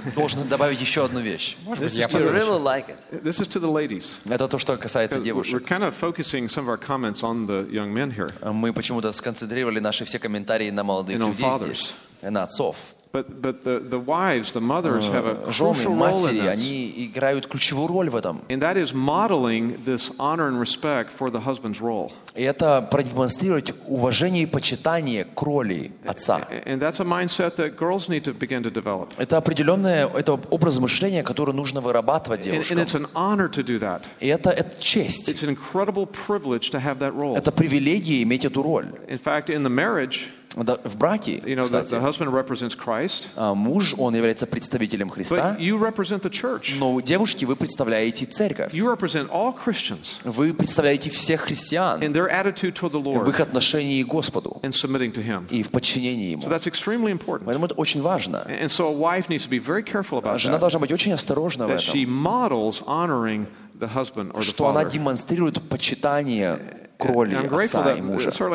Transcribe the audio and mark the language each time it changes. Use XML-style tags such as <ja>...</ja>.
<ru>Должен добавить еще одну вещь.</ru> <en>This is to the ladies.</en> <ru>Это то, что касается девушек.</ru> <en>We're kind of focusing some of our comments on the young men here.</en> <ru>Мы почему-то сконцентрировали наши все комментарии на молодых людей здесь, на отцов.</ru> <en>But the wives, the mothers have a crucial role in this.</en> <ru>Они играют ключевую роль в этом.</ru> <en>And that is modeling this honor and respect for the husband's role.</en> <ru>И это продемонстрировать уважение и почитание к роли отца.</ru> <en>And that's a mindset that girls need to begin to develop.</en> <ru>Это образ мышления, который нужно вырабатывать девушкам.</ru> <en>And it's an honor to do that.</en> <ru>И это честь.</ru> <en>It's an incredible privilege to have that role.</en> <ru>Это привилегия иметь эту роль.</ru> <en>In fact, in the marriage.</en> <ru>В браке,</ru> <en>you know, the husband represents Christ.</en> <ru>Муж, он является представителем Христа.</ru> <en>But you represent the church.</en> <ru>Но девушки, вы представляете церковь.</ru> <en>You represent all Christians.</en> <ru>Вы представляете всех христиан.</ru> <en>And their attitude toward the Lord.</en> <ru>В их отношении к Господу.</ru> <en>And submitting to Him.</en> <ru>И в подчинении Ему.</ru> <en>So that's extremely important.</en> <ru>Поэтому это очень важно.</ru> <en>And so a wife needs to be very careful about that.</en> <ru>Жена должна быть очень осторожна в этом.</ru> <en>That she models honoring the husband or the father.</en> <ru>Что она демонстрирует почитание. к роли отца и мужа.</ru>